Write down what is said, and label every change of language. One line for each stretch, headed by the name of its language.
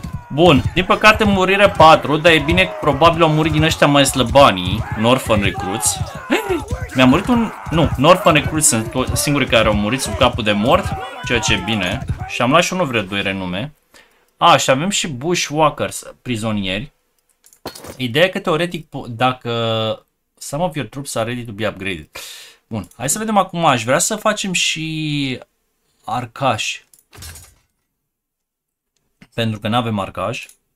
Romanian: Bun, din păcate murire 4, dar e bine că probabil au murit din ăștia mai slăbanii, Norfan Recruits. Mi-a murit un... Nu, Norfan Recruits sunt singurii care au murit sub capul de mort, ceea ce e bine. Și am luat și unul vreo 2 renume. Și avem și Bushwalkers, prizonieri. Ideea e că teoretic, dacă...
English: Some of your troops are ready to be upgraded.
Romanian: Bun, hai să vedem acum, aș vrea să facem și... Arcaș. Pentru că n-avem arcaș.